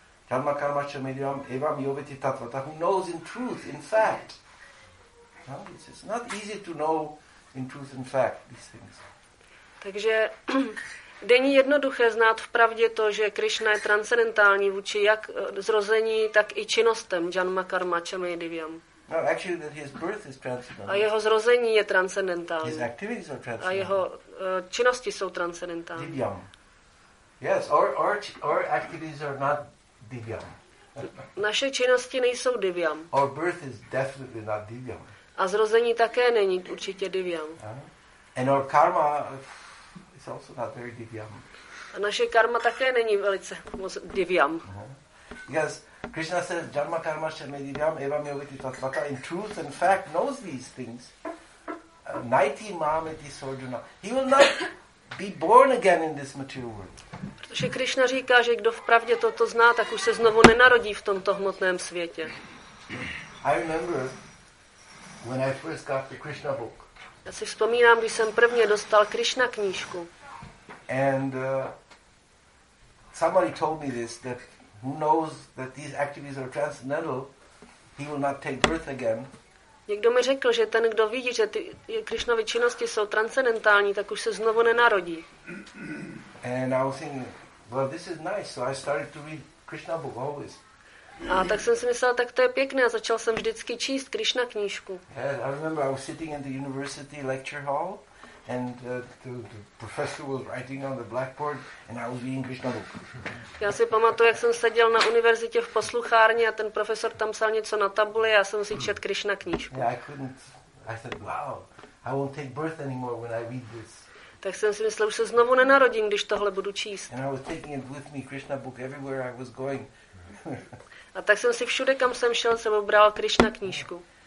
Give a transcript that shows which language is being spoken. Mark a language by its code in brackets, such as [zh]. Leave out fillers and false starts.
[sa] Janma karma chame divyam evam yoveti tatvata, [en] who knows in truth, in fact. No, it's not easy to know in truth, in fact, these things. [cs] Takže není jednoduché znát v pravdě to, že Krishna je transcendentální vůči jak zrození, tak i činnostem [sa] janma karma chame divyam. [en] No, actually that his birth is transcendental. [cs] A jeho zrození je transcendentální. [en] His activities are transcendental. [cs] A jeho činnosti jsou transcendentální. [en] Divyam. Yes, our activities are not divyam. [cs] Naše činnosti nejsou divyam. [en] Our birth is definitely not divyam. [cs] A zrození také není určitě divyam. [en] And our karma is also not very divyam. [cs] A naše karma také není velice moc divyam. [en] Yes, Krishna says [sa] janma karma shame divyam evam yogati tatvata. [en] In truth and fact knows these things. [sa] Naiti mameti sorjuna. [en] He will not be born again in this material world. [cs] Protože Krishna říká, že kdo vpravdě toto zná, tak už se znovu nenarodí v tomto hmotném světě. [en] I remember when I first got the Krishna book. [cs] Já si vzpomínám, když jsem prvně dostal Krishna knížku. [en] And somebody told me this, that who knows that these activities are transcendental, he will not take birth again. [cs] Někdo mi řekl, že ten, kdo vidí, že ty Krishnovy činnosti jsou transcendentální, tak už se znovu nenarodí. [en] And I was thinking, well, this is nice, so I started to read Krishna book always. [cs] A tak jsem si myslel, tak to je pěkné, a začal jsem vždycky číst Krishna knížku. [en] Yeah, I remember I was sitting in the university lecture hall, and the professor was writing on the blackboard, and I was reading Krishna book. [cs] Já si pamatuju, jak jsem seděl na univerzitě v posluchárně a ten profesor tam psal něco na tabuli, a já jsem si čet Krishna knížku. [en] Yeah, I couldn't. I said, wow, I won't take birth anymore when I read this. [cs] Tak jsem si myslel, už se znovu nenarodím, když tohle budu číst. [en] And I was taking it with me, Krishna book, everywhere I was going. [cs] A tak jsem si všude, kam jsem šel, jsem obral Krishna knížku.